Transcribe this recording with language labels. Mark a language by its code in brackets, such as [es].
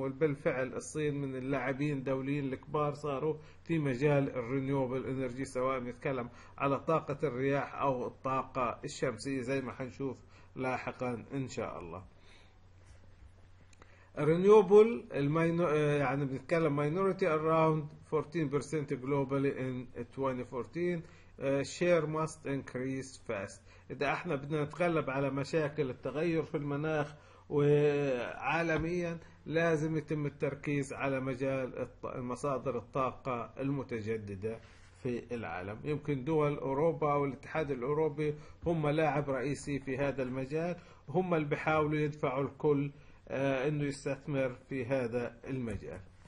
[ar] وبالفعل الصين من اللاعبين الدوليين الكبار صاروا في مجال الرينيوبل انرجي، سواء نتكلم على طاقة الرياح أو الطاقة الشمسية زي ما حنشوف لاحقا إن شاء الله. الرينيوبل يعني بنتكلم [en] minority around 14% globally in 2014. Share must increase fast. [ar] إذا احنا بدنا نتغلب على مشاكل التغير في المناخ وعالميا لازم يتم التركيز على مجال مصادر الطاقة المتجددة في العالم. يمكن دول أوروبا والاتحاد الأوروبي هم لاعب رئيسي في هذا المجال، هم اللي بحاولوا يدفعوا الكل أنه يستثمر في هذا المجال.